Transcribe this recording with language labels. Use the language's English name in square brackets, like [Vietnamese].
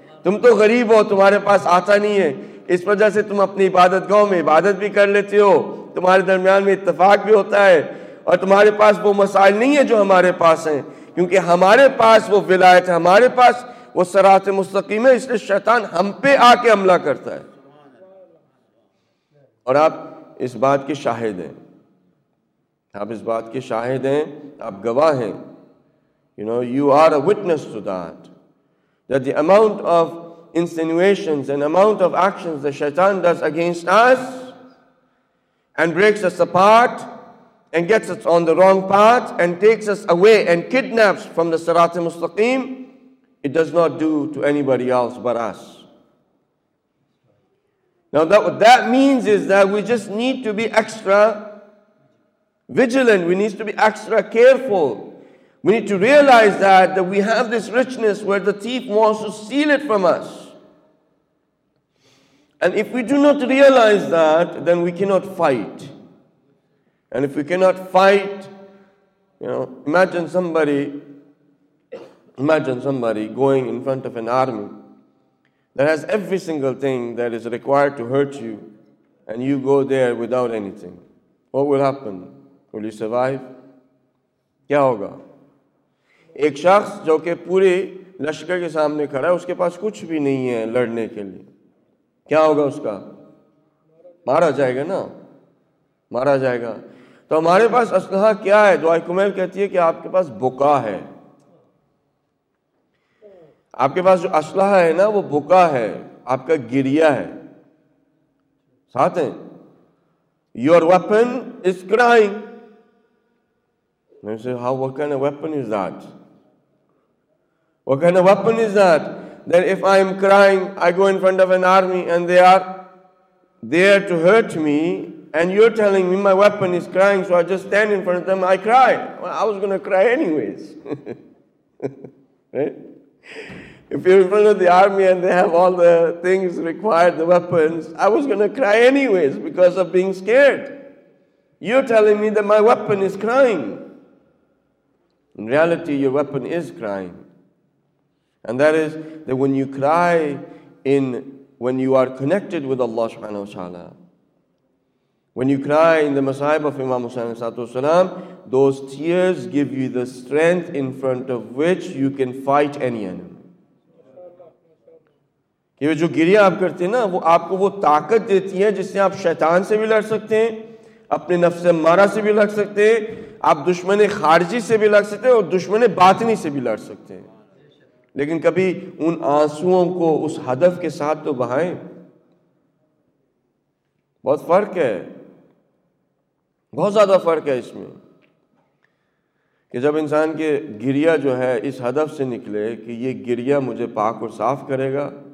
[Urdu] تم تو غریب ہو, تمہارے پاس آتا نہیں ہے, اس وجہ سے تم اپنی عبادت گاہوں میں عبادت بھی کر لیتے ہو, تمہارے درمیان میں اتفاق بھی ہوتا ہے, اور تمہارے پاس وہ مسائل نہیں ہیں جو ہمارے پاس ہیں, کیونکہ ہمارے پاس وہ ولایت ہے, ہمارے پاس وہ صراط مستقیم ہے, اس لیے شیطان ہم پہ آ کے حملہ کرتا ہے. اور آپ اس بات کے شاہد ہیں, آپ اس بات کے شاہد ہیں, آپ گواہ ہیں. [English] You know you are a witness to that, that the amount of insinuations and amount of actions that shaitan does against us and breaks us apart and gets us on the wrong path and takes us away and kidnaps from the sirat-e-mustaqim, it does not do to anybody else but us. Now that what that means is that we just need to be extra vigilant, we need to be extra careful. We need to realize that we have this richness where the thief wants to steal it from us. And if we do not realize that, then we cannot fight. And if we cannot fight, you know, imagine somebody going in front of an army that has every single thing that is required to hurt you, and you go there without anything. What will happen? Will you survive? [Urdu] Kya hoga? ایک شخص جو کہ پورے لشکر کے سامنے کھڑا ہے, اس کے پاس کچھ بھی نہیں ہے لڑنے کے لیے, کیا ہوگا؟ اس کا مارا جائے گا نا, مارا جائے گا. تو ہمارے پاس اسلحہ کیا ہے؟ دعائے کمیل کہتی ہے کہ آپ کے پاس بکا ہے, آپ کے پاس جو اسلحہ ہے نا وہ بکا ہے, آپ کا گریا ہے ساتھ ہیں, [English] Your weapon is crying. And I said, what kind of weapon is that? What kind of weapon is that? That if I am crying, I go in front of an army and they are there to hurt me, and you're telling me my weapon is crying, so I just stand in front of them, I cry. Well, I was going to cry anyways. Right? If you're in front of the army and they have all the things required, the weapons, I was going to cry anyways because of being scared. You're telling me that my weapon is crying. In reality, your weapon is crying. And that is that when you cry in, when you are connected with Allah subhanahu wa ta'ala, when you cry in the masaib of Imam Hussain alayhi salam, those tears give you the strength in front of which you can fight any enemy. [Urdu] یہ جو گریا آپ کرتے ہیں نا, وہ آپ کو وہ طاقت دیتی ہے جس سے آپ شیطان سے بھی لڑ سکتے ہیں, اپنے نفس مارا سے بھی لڑ سکتے ہیں, آپ دشمن خارجی سے بھی لڑ سکتے ہیں اور دشمن باطنی سے بھی لڑ سکتے ہیں. لیکن کبھی ان آنسوؤں کو اس ہدف کے ساتھ تو بہائیں, بہت فرق ہے, بہت زیادہ فرق ہے اس میں کہ جب انسان کے گریا جو ہے اس ہدف سے نکلے کہ یہ گریا مجھے پاک اور صاف کرے گا,